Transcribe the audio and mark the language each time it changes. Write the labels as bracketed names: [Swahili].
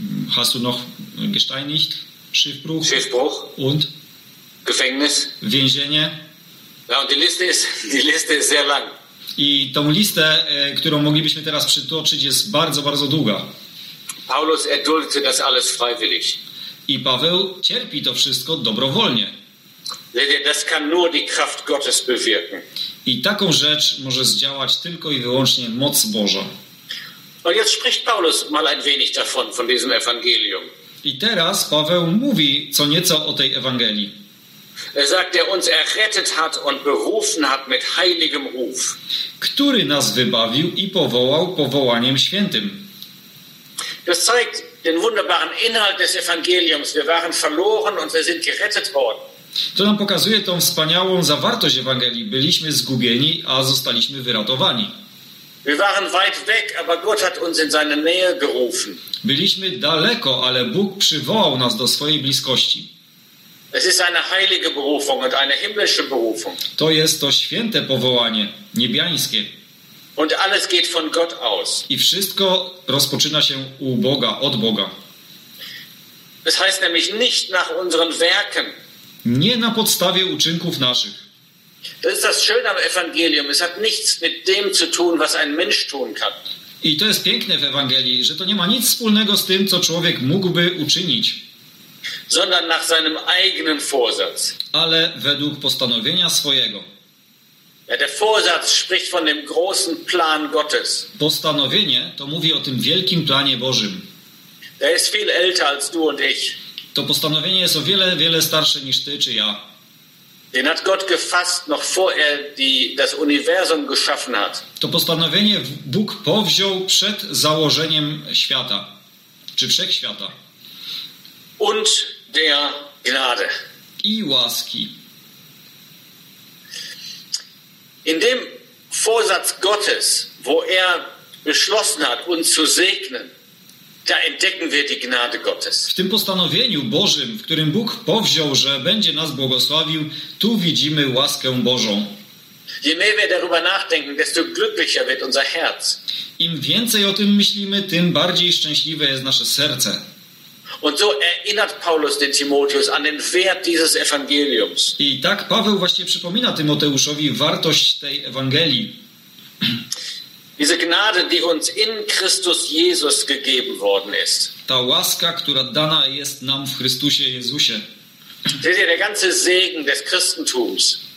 [German] Hast du noch gesteinigt? Schiffbruch und Gefängnis, [Polish] więzienie. [German] Ja, und die Liste ist sehr lang. [Polish] I tą listę, którą moglibyśmy teraz przytoczyć, jest bardzo, bardzo długa. [German] Paulus erduldete das alles freiwillig. [Polish] I Paweł cierpi to wszystko dobrowolnie. [German] Das kann nur die Kraft Gottes bewirken. [Polish] I taką rzecz może zdziałać tylko i wyłącznie moc Boża. [German] Und jetzt spricht Paulus mal ein wenig davon, von diesem Evangelium. [Polish] I teraz Paweł mówi co nieco o tej Ewangelii. [German] Er sagt, der uns errettet hat und berufen hat mit heiligem Ruf. [Polish] Który nas wybawił i powołał powołaniem świętym. [German] Das zeigt den wunderbaren Inhalt des Evangeliums. Wir waren verloren und wir sind gerettet worden. [Polish] To nam pokazuje tą wspaniałą zawartość Ewangelii. Byliśmy zgubieni, a zostaliśmy wyratowani. [German] Wir waren weit weg, aber Gott hat uns in seine Nähe gerufen. [Polish] Byliśmy daleko, ale Bóg przywołał nas do swojej bliskości. [German] Es ist eine heilige Berufung und eine himmlische Berufung. [Polish] To jest to święte powołanie, niebiańskie. [German] Und alles geht von Gott aus. [Polish] I wszystko rozpoczyna się u Boga, od Boga. [German] Das heißt nämlich nicht nach unseren Werken. [Polish] Nie na podstawie uczynków naszych. [German] Das ist das Schöne am Evangelium. Es hat nichts mit dem zu tun, was ein Mensch tun kann. [Polish] I to jest piękne w Ewangelii, że to nie ma nic wspólnego z tym, co człowiek mógłby uczynić. [German] Sondern nach seinem eigenen Vorsatz. [Polish] Ale według postanowienia swojego. [German] Ja, der Vorsatz spricht von dem großen Plan Gottes. [Polish] Postanowienie to mówi o tym wielkim planie Bożym. [German] Der ist viel älter als du und ich. [Polish] to postanowienie jest o wiele, wiele starsze niż ty czy ja. [German] Den hat Gott gefasst, noch vor er das Universum geschaffen hat. [Polish] To postanowienie Bóg powziął przed założeniem świata, czy wszechświata. [German] Und der Gnade. [Polish] I łaski. [German] In dem Vorsatz Gottes, wo er beschlossen hat, uns zu segnen, da entdecken wir die Gnade Gottes. [Polish] W tym postanowieniu Bożym, w którym Bóg powziął, że będzie nas błogosławił, tu widzimy łaskę Bożą. [German] Je mehr wir darüber nachdenken, desto glücklicher wird unser Herz. [Polish] Im więcej o tym myślimy, tym bardziej szczęśliwe jest nasze serce. [German] Und so erinnert Paulus den Timotheus an den Wert dieses Evangeliums. [Polish] I tak Paweł właśnie przypomina Tymoteuszowi wartość tej Ewangelii. [German] Diese Gnade, die uns in Christus Jesus gegeben worden ist. [Polish] Ta łaska, która dana jest nam w Chrystusie Jezusie. [German] Seht ihr, der ganze Segen des Christentums.